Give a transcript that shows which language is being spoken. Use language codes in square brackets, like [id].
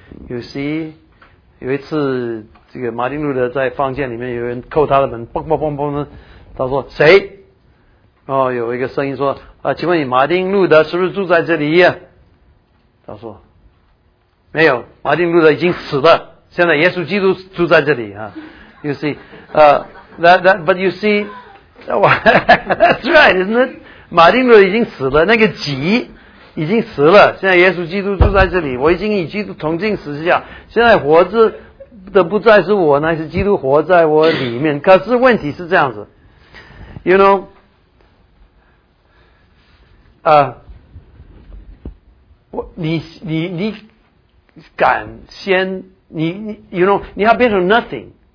[en] You see， [zh] 有一次这个马丁路德在房间里面，有人扣他的门，砰砰砰砰的，他说谁？哦，有一个声音说啊，请问你马丁路德是不是住在这里？他说没有，马丁路德已经死了，现在耶稣基督住在这里啊。 [en] You see, but you see, that's right, isn't it? [zh] 马丁路德已经死了，那个己已经死了。现在耶稣基督住在这里，我已经与基督同进十字架。现在活着的不再是我，乃是基督活在我里面。可是问题是这样子 ， [en] you know, [zh] 你敢先你 you know 你要变成 nothing。